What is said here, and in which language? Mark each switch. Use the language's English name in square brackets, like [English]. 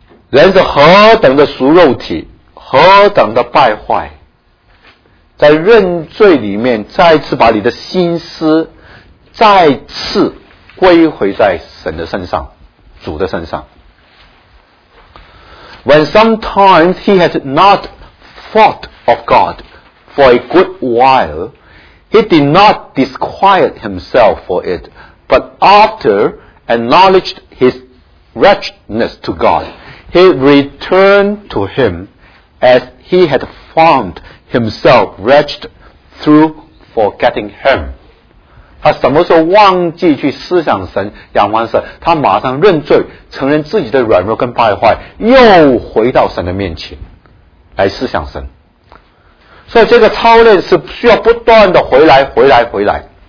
[Chinese] 人是何等的俗肉体，何等的败坏，在认罪里面再次把你的心思再次归回在神的身上，主的身上。 [English] When sometimes he had not thought of God for a good while, he did not disquiet himself for it, but after acknowledged his wretchedness to God, he returned to him as he had found himself wretched through forgetting him. [Chinese] 他什么时候忘记去思想神、仰望神，他马上认罪，承认自己的软弱跟败坏，又回到神的面前来思想神。所以这个操练是需要不断的回来、回来、回来。